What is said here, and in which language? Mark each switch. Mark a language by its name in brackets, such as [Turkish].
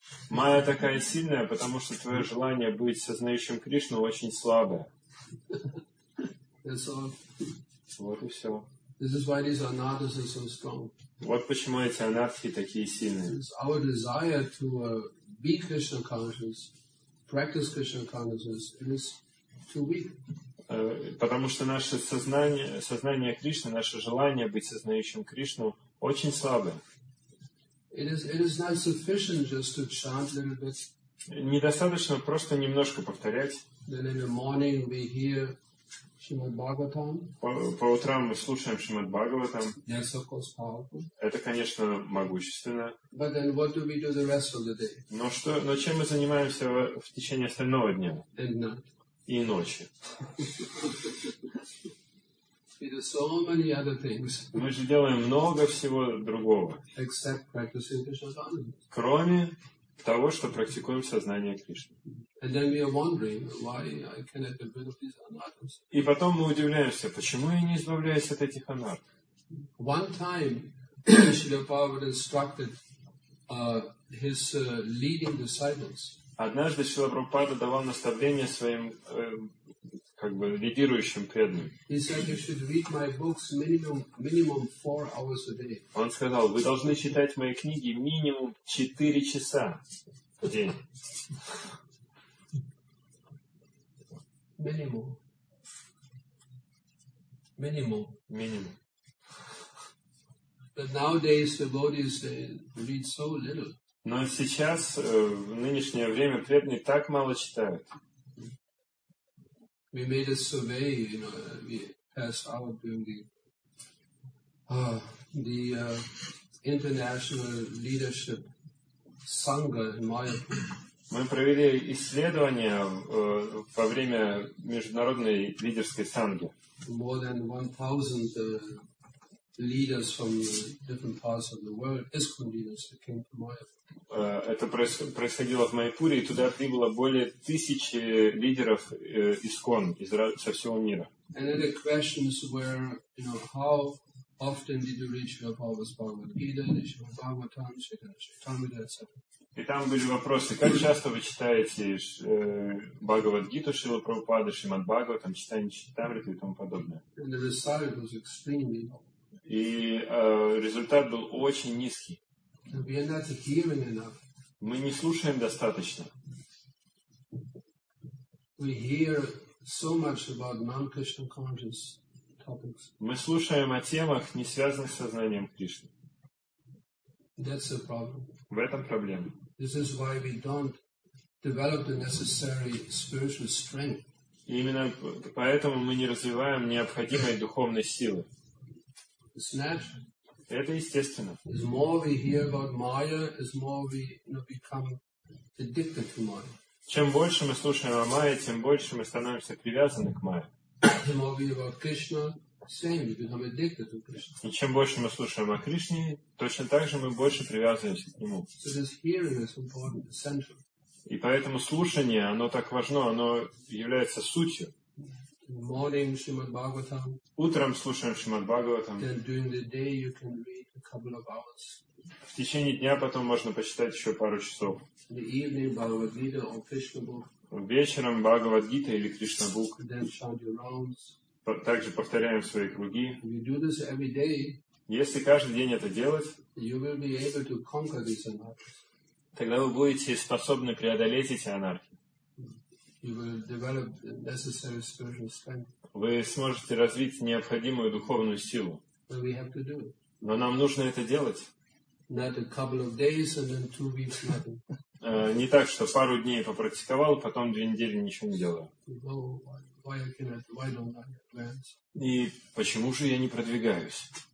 [Russian] Майя такая сильная, потому что твое желание быть сознающим Кришну очень слабое. [English] That's all. [Russian] Вот и все. [English] This is why these anarthas are so strong. [Russian] Вот почему эти анархи такие сильные. [English] It's our desire to be Krishna conscious, practice Krishna consciousness, it is too weak. [Russian] Потому что наше сознание, сознание Кришны, наше желание быть сознающим Кришну очень слабое. [English] It is not sufficient just to chant a little bit. [Russian] Недостаточно просто немножко повторять. [English] Then in the morning we hear Shrimad Bhagavatam. [Russian] По утрам мы слушаем Шримад Бхагаватам. [English] Yes, of course, powerful. [Russian] Это, конечно, могущественно. [English] But then what do we do the rest of the day? [Russian] Но чем мы занимаемся в течение остального дня? [English] And night. [Russian] И ночи. [English] We do so many other things. [Russian] Мы же делаем много всего другого. [English] Except practicing Krishna consciousness. [Russian] Кроме того, что практикуем сознание Кришны. [English] And then we are wondering why I cannot get rid of these anarthas. [Russian] И потом мы удивляемся, почему я не избавляюсь от этих анарт. [English] One time, Śrīla Prabhupāda instructed his leading disciples. [Russian] Однажды Шрила Прабхупада давал наставление своим как бы лидирующим преданным. [English] He said you should read my books minimum 4 hours a day. [Russian] Он сказал, вы должны читать мои книги минимум 4 часа в день. [English] Minimum. But nowadays the devotees read so little. [Russian] Но сейчас, в нынешнее время, преданные так мало читают. [English] We made a survey, you know, we passed out during the International Leadership Sangha in Mayapur. [Russian] Мы провели исследование во время международной лидерской санги. [English] More than 1,000 leaders from different parts of the world, ISKCON leaders, came to Mayapur. [Russian] Это происходило в Майпуре, и туда прибыло более 1000 лидеров ИСКОН со всего мира. [English] And then the questions were, you know, how often did you reach your Prabhupada's Bhagavad Gita, Shrimad Bhagavatam, Chaitanya Charitamrita, etc. [Russian] И там были вопросы, как часто вы читаете Бхагавад Гиту Шрила Прабхупада, Шримад Бхагаватам, Чайтанья Чаритамриту и тому подобное. [English] And the result was extremely low. [Russian] И результат был очень низкий. [English] We are not hearing enough. [Russian] Мы не слушаем достаточно. [English] We hear so much about non-Krishna conscious topics. [Russian] Мы слушаем о темах, не связанных с сознанием Кришны. [English] That's a problem. [Russian] В этом проблема. [English] This is why we don't develop the necessary spiritual strength. [Russian] И именно поэтому мы не развиваем необходимой духовной силы. [English] It's natural. [Russian] Это естественно. [English] As more we hear about Maya, as more we, you know, become addicted to Maya. [Russian] Чем больше мы слушаем о Майе, тем больше мы становимся привязаны к Майе. [English] The more we hear about Krishna, same, we become addicted to Krishna. [Russian] И чем больше мы слушаем о Кришне, точно так же мы больше привязываемся к Нему. [English] So this hearing is important, essential. [Russian] И поэтому слушание, оно так важно, оно является сутью. [English] Morning, Shrimad Bhagavatam. [Russian] Утром слушаем Шримад Бхагаватам. [English] Then during the day you can read a couple of hours. [Russian] В течение дня потом можно почитать еще пару часов. [English] The evening Bhagavad Gita or Krishna book. [Russian] Вечером Бхагавад Гита или Кришна Бук. [English] Then chant your rounds. [Russian] Также повторяем свои круги. [English] If you do this every day, [Russian] если каждый день это делать, [English] you will be able to conquer these anarchies. [Russian] Тогда вы будете способны преодолеть эти анархии. [English] You will develop the necessary spiritual strength. [Russian] Вы сможете развить необходимую духовную силу. [English] But we have to do it. [Russian] Но нам нужно это делать. [English] Not a couple of days and then 2 weeks nothing. [Russian] Не так, что пару дней попрактиковал, потом 2 недели ничего не делаю. [English] Why don't I advance? [Russian] И почему же я не продвигаюсь?